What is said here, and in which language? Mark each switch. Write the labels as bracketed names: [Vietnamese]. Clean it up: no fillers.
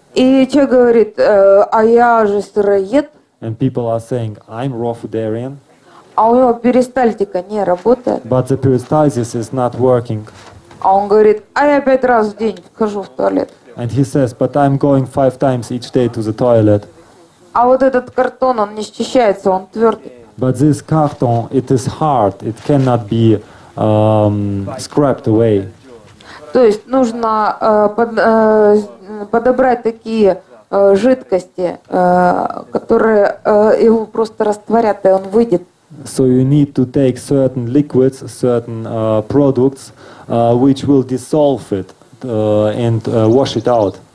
[Russian] И человек говорит, а я же сыроед. [English] And people are saying, I'm raw foodarian. [Russian] А у него перистальтика не работает. [English] But the peristalsis is not working. [Russian] А он говорит, а я 5 раз в день хожу в туалет. [English] And he says, but I'm going 5 times each day to the toilet. [Russian] А вот этот картон, он не счищается, он твердый. [English] But this carton, it is hard, it cannot be scrapped away. [Russian] То есть нужно подобрать такие жидкости, которые его просто растворят, и он выйдет. [English] So you need to take certain liquids, certain products, which will dissolve it and wash it out.